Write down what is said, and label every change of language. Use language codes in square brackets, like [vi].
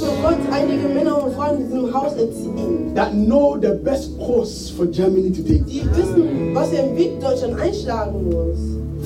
[de] Möge Gott einige Männer und Frauen in diesem Haus erziehen. [en] That know the best course for Germany to take. [de] Die wissen, was den Weg Deutschland einschlagen muss.